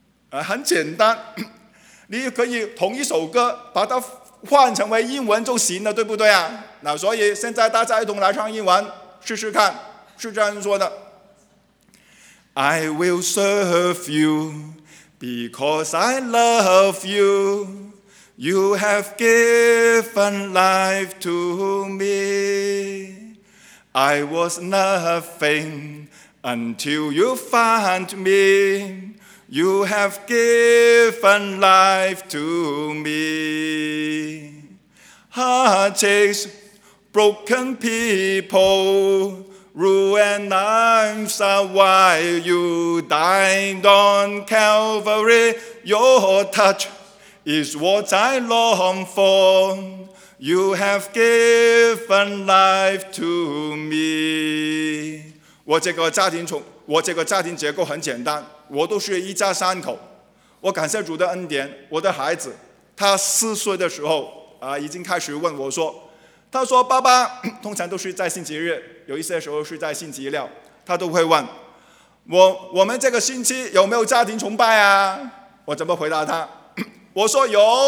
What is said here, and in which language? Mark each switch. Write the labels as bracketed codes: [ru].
[zh] 很简单，你可以同一首歌把它换成为英文就行了，对不对啊？那所以现在大家一同来唱英文试试看，是这样说的 ： [en] I will serve you because I love you. You have given life to me. I was nothing until you found me. You have given life to me. Heartaches, broken people, ruined lives are why you died on Calvary. Your touch is what I long for. You have given life to me. [zh] 我这个家庭结构很简单，我都是一家三口。我感谢主的恩典，我的孩子他四岁的时候啊，已经开始问我说，他说爸爸，通常都是在星期日，有一些时候是在星期六，他都会问我们这个星期有没有家庭崇拜啊？我怎么回答他？我说有。